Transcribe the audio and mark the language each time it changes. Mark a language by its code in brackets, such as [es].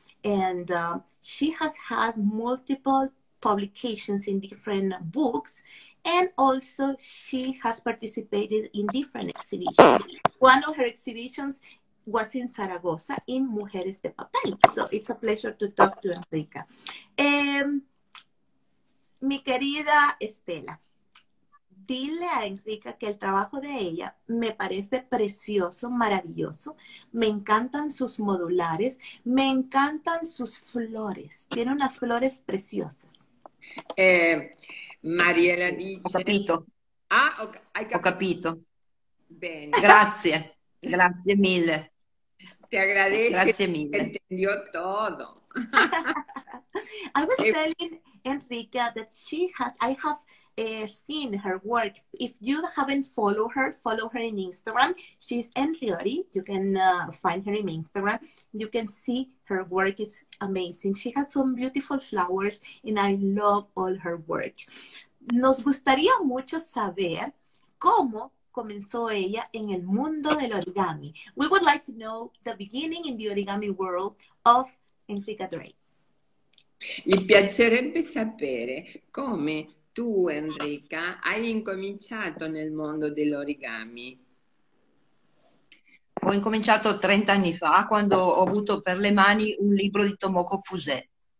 [en] And she has had multiple publications in different books. And also she has participated in different exhibitions. One of her exhibitions was in Zaragoza in Mujeres de Papel. So it's a pleasure to talk to Enrica. [es] Mi querida Estela. Dile a Enrica que el trabajo de ella me parece precioso, maravilloso. Me encantan sus modulares, me encantan sus flores. Tiene unas flores preciosas. Mariela dice: [it] Capito. Ah, okay, hai Ho capito. capito. Bene. Grazie, grazie mille. [es] Agradece [it] Grazie mille. [es] che entendió todo. [en] I was telling Enrica that she has, I have seen her work. If you haven't follow her in Instagram. She's Enriori. You can find her in Instagram. You can see her work is amazing. She has some beautiful flowers and I love all her work. [es] Nos gustaría mucho saber cómo comenzó ella en el mundo del origami. [en] We would like to know the beginning in the origami world of Enrica Drake. [it] Mi piacerebbe sapere come tu, Enrica, hai incominciato nel mondo dell'origami. Ho incominciato 30 anni fa quando ho avuto per le mani un libro di Tomoko Fuse